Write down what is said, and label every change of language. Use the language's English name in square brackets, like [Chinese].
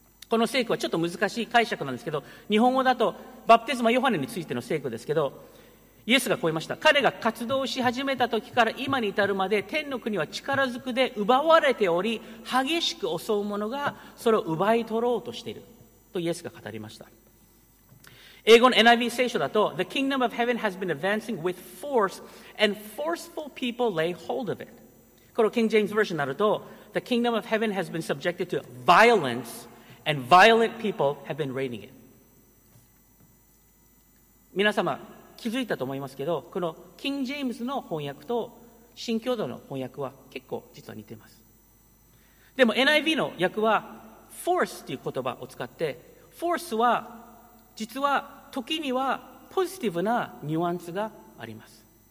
[Japanese] この聖句はちょっと難しい解釈なんですけど、日本語だとバプテスマ・ヨハネについての聖句ですけど、イエスが超えました。彼が活動し始めた時から今に至るまで天の国は力ずくで奪われており、激しく襲う者がそれを奪い取ろうとしているとイエスが語りました。英語の NIV 聖書だと、 [English] The kingdom of heaven has been advancing with force, and forceful people lay hold of it. [Japanese] この King James Version になると、 [English] The kingdom of heaven has been subjected to violence, and violent people have been raiding it. [Japanese] 皆様、気づいたと思いますけど、この King James の翻訳と新教堂の翻訳は結構実は似ています。でも NIV の訳は、force という言葉を使って、force は実は時にはポジティブなニュアンスがあります。